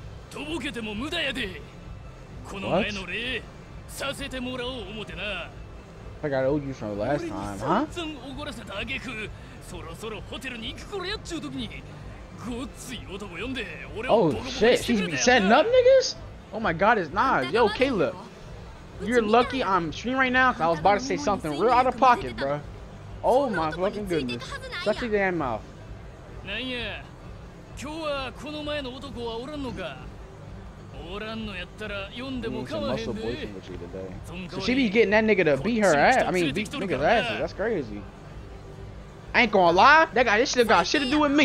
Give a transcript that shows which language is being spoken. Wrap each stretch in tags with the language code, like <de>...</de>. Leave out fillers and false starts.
<ja>とぼけても無駄やで。この前の礼、させてもらおう思てな。</ja> <en>I got owed you from the last time, huh?</en> <ja>俺に散々おごらせた挙句、そろそろホテルに行くころやっちゅう時に、ごっつい男呼んで、俺をボコボコしてくれたよな。</ja> <en>Oh shit, she's been setting up niggas? Oh my god, it's Nah. Yo, Caleb. You're lucky I'm streaming right now, cause I was about to say something real out of pocket, bruh. Oh my fucking goodness. Shut your damn mouth.</en> <ja>なんや、今日はこの前の男はおらんのか。おらんのやったら呼んでもかわへんで。</ja> <en>So she be getting that nigga to beat her ass. I mean, beat nigga's ass. That's crazy. I ain't gonna lie. That guy, this shit got shit to do with me.</en>